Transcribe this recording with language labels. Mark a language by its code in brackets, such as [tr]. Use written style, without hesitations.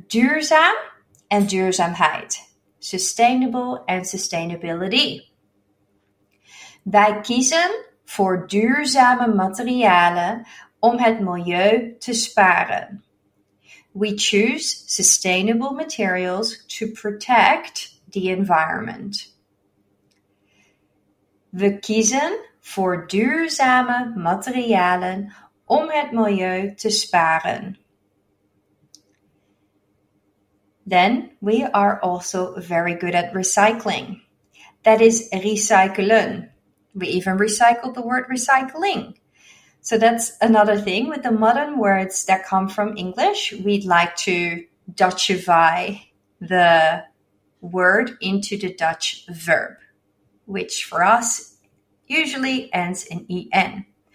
[en] Duurzaam and duurzaamheid. Sustainable and sustainability. [nl] Wij kiezen voor duurzame materialen om het milieu te sparen. [en] We choose sustainable materials to protect the environment. [nl] We kiezen voor duurzame materialen om het milieu te sparen. [en] Then we are also very good at recycling. That is recyclen. We even recycled the word recycling. So that's another thing with the modern words that come from English. We'd like to Dutchify the word into the Dutch verb, which for us usually ends in en.